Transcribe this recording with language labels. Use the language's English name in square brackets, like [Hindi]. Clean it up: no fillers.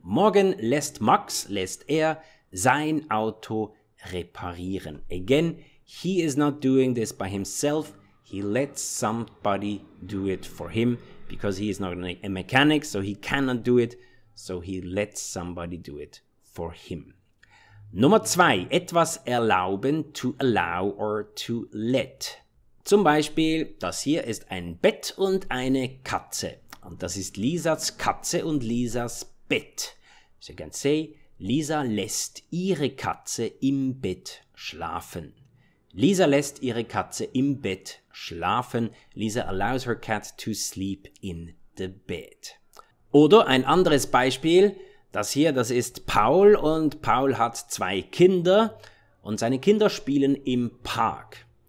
[German] Morgen lässt Max, lässt er sein Auto reparieren. [English] Again, he is not doing this by himself. He lets somebody do it for him, because he is not a mechanic, so he cannot do it. So he lets somebody do it for him. [German] Nummer zwei, etwas erlauben, [English] to allow or to let. [German] Zum Beispiel, das hier ist ein Bett und eine Katze. Und das ist Lisas Katze und Lisas Bett. [English] So you can say, [German] Lisa lässt ihre Katze im Bett schlafen. Lisa lässt ihre Katze im Bett schlafen. [English] Lisa allows her cat to sleep in the bed. [German] Oder ein anderes Beispiel, das hier, das ist Paul und Paul hat zwei Kinder und seine Kinder spielen im Park.